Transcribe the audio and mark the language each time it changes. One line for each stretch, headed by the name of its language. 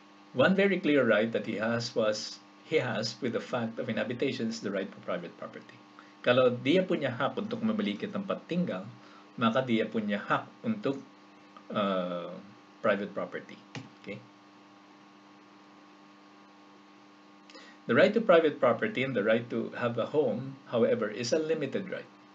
English: One very clear right that he has with the fact of inhabitation is the right to private property.
Indonesian: Kalau dia punya hak untuk memiliki tempat tinggal, maka dia punya hak untuk
English: private property.
Indonesian: Okay?
English: The right to private property and the right to have a home, however, is a limited right.